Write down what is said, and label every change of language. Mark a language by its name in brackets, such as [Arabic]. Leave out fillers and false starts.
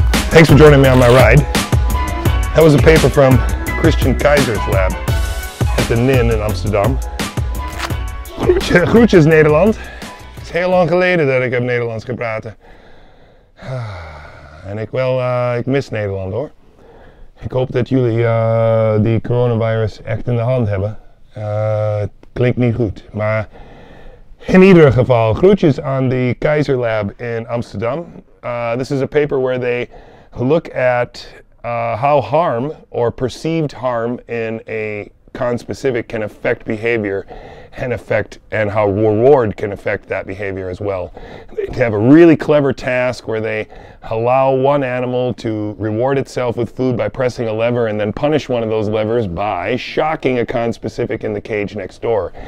[English] Thanks for joining me on my ride. That was a paper from Christian Kaiser's lab at the NIN in Amsterdam. [Dutch] Groetjes Nederland. Het is heel lang geleden dat ik heb Nederlands gepraat. En ik wel, ik mis Nederland hoor. Ik hoop dat jullie die coronavirus echt in de hand hebben. Het klinkt niet goed, maar in ieder geval, groetjes aan de Kaiser Lab in Amsterdam. [English] This is a paper where they look at how harm or perceived harm in a conspecific can affect behavior and affect and how reward can affect that behavior as well. They have a really clever task where they allow one animal to reward itself with food by pressing a lever and then punish one of those levers by shocking a conspecific in the cage next door.